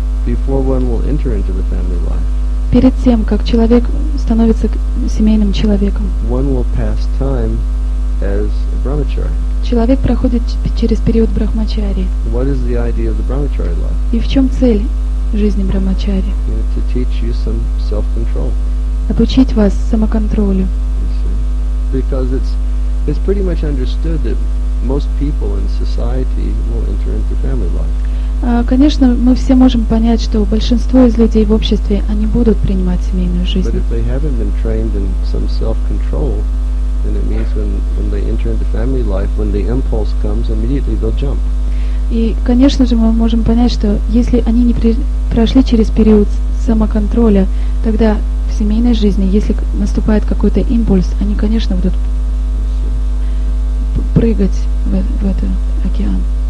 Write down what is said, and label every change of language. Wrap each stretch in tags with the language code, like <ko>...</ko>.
<en>before one will enter into the family life,</en> <ru>перед тем, как человек становится семейным человеком,</ru> <en>one will pass time as a brahmachari.</en> <ru>Человек проходит через период брахмачари.</ru> <en>What is the idea of the brahmachari life?</en> <ru>И в чем цель жизни брахмачари?</ru> <en>To teach you some self-control.</en> <ru>Обучить вас самоконтролю.</ru> <en>Because it's pretty much understood that most people in society will enter into family life.</en> <ru>Конечно, мы все можем понять, что большинство из людей в обществе они будут принимать семейную жизнь.</ru> <en>But if they haven't been trained in some self-control, then it means when they enter into family life, when the impulse comes, immediately they'll jump.</en> <ru>И, конечно же, мы можем понять, что если они не прошли через период самоконтроля, тогда в семейной жизни, если наступает какой-то импульс, они, конечно, будут прыгать в этот океан.</ru>